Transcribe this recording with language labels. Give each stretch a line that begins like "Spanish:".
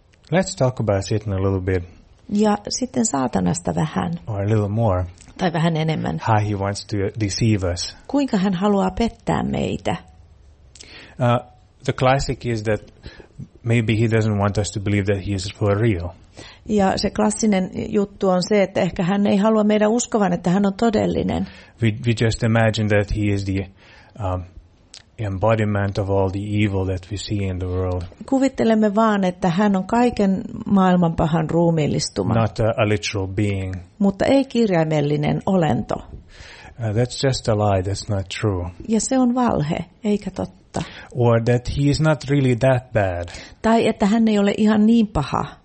English: Let's talk about it in a little bit.
Finnish: Ja sitten saatanasta vähän.
English: Or a little more.
Finnish: Tai vähän enemmän.
English: How he wants to deceive us.
Finnish: Kuinka hän haluaa pettää meitä?
English: The classic is that maybe he doesn't want us to believe that he is for real.
Finnish: Ja se klassinen juttu on se, että ehkä hän ei halua meidän uskovan, että hän on todellinen.
English: We just imagine that he is the embodiment of all the evil that we see in the world.
Finnish: Kuvittelemme vaan, että hän on kaiken maailman pahan ruumiillistuma.
English: Not a literal being.
Finnish: Mutta ei kirjaimellinen olento.
English: That's just a lie, that's not true.
Finnish: Ja se on valhe, eikä totta.
English: Or that he is not really that bad.
Finnish: Tai että hän ei ole ihan niin paha.